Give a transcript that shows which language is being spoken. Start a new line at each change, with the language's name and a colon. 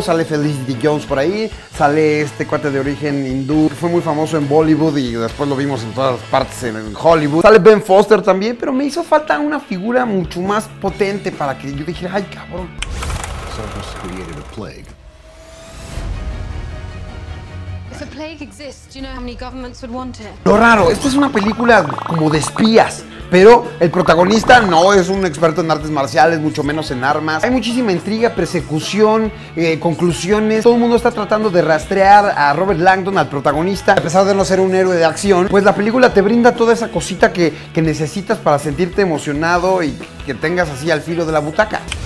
Spanish: Sale Felicity Jones por ahí, sale este cuate de origen hindú que fue muy famoso en Bollywood y después lo vimos en todas partes en Hollywood. Sale Ben Foster también, pero me hizo falta una figura mucho más potente para que yo dijera, ay, cabrón.
English: Someone's created a plague. If a plague exists, do you know how many governments would want it?
Spanish: Lo raro, esta es una película como de espías, pero el protagonista no es un experto en artes marciales, mucho menos en armas. Hay muchísima intriga, persecución, conclusiones. Todo el mundo está tratando de rastrear a Robert Langdon, al protagonista. A pesar de no ser un héroe de acción, pues la película te brinda toda esa cosita que necesitas para sentirte emocionado y que tengas así al filo de la butaca.